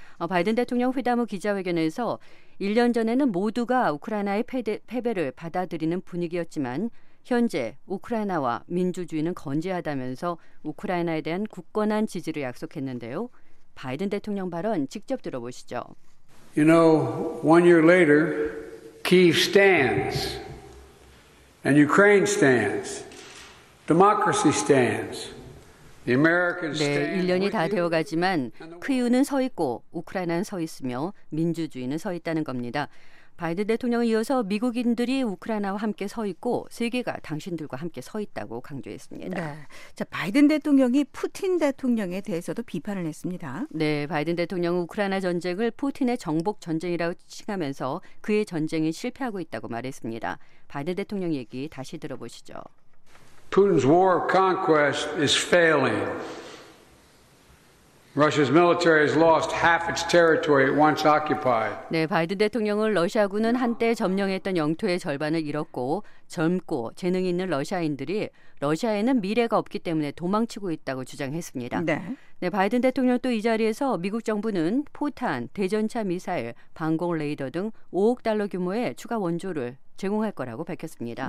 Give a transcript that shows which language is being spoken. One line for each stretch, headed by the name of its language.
Korean: 바이든 대통령 회담 후 기자회견에서 1년 전에는 모두가 우크라이나의 패배를 받아들이는 분위기였지만 현재 우크라이나와 민주주의는 건재하다면서 우크라이나에 대한 굳건한 지지를 약속했는데요. 바이든 대통령 발언 직접 들어보시죠.
English: You know, one year later, Kyiv stands. And Ukraine stands. Democracy stands.
Korean: 네, 1년이 다 되어가지만 크유는 서 있고 우크라이나는 서 있으며 민주주의는 서 있다는 겁니다. 바이든 대통령은 이어서 미국인들이 우크라이나와 함께 서 있고 세계가 당신들과 함께 서 있다고 강조했습니다. 네, 자 바이든 대통령이 푸틴 대통령에 대해서도 비판을 했습니다. 네, 바이든 대통령은 우크라이나 전쟁을 푸틴의 정복 전쟁이라고 칭하면서 그의 전쟁이 실패하고 있다고 말했습니다. 바이든 대통령 얘기 다시 들어보시죠.
English: Putin's war of conquest is failing. Russia's military has lost half its territory it once occupied.
Korean: 네, 바이든 대통령은 러시아군은 한때 점령했던 영토의 절반을 잃었고 젊고 재능 있는 러시아인들이 러시아에는 미래가 없기 때문에 도망치고 있다고 주장했습니다. 네. 네, 바이든 대통령 또 이 자리에서 미국 정부는 포탄, 대전차 미사일, 방공 레이더 등 5억 달러 규모의 추가 원조를 제공할 거라고 밝혔습니다.